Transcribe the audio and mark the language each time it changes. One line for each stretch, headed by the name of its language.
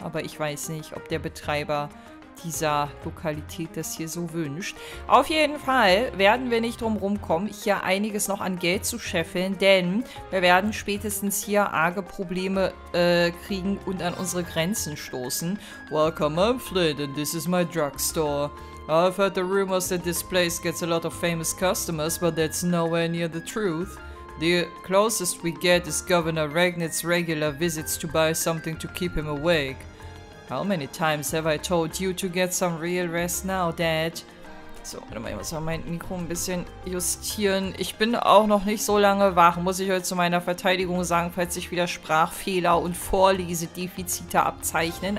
German: Aber ich weiß nicht, ob der Betreiber dieser Lokalität das hier so wünscht. Auf jeden Fall werden wir nicht drum rumkommen, hier einiges noch an Geld zu scheffeln, denn wir werden spätestens hier arge Probleme kriegen und an unsere Grenzen stoßen.
English: Welcome, I'm Flint, and this is my drugstore. I've heard the rumors that this place gets a lot of famous customers, but that's nowhere near the truth. The closest we get is Governor Ragnit's regular visits to buy something to keep him awake. How many times have I told you to get some real rest now, Dad?
German: So, warte mal, ich muss mal mein Mikro ein bisschen justieren. Ich bin auch noch nicht so lange wach, muss ich euch zu meiner Verteidigung sagen, falls sich wieder Sprachfehler und Vorlesedefizite abzeichnen.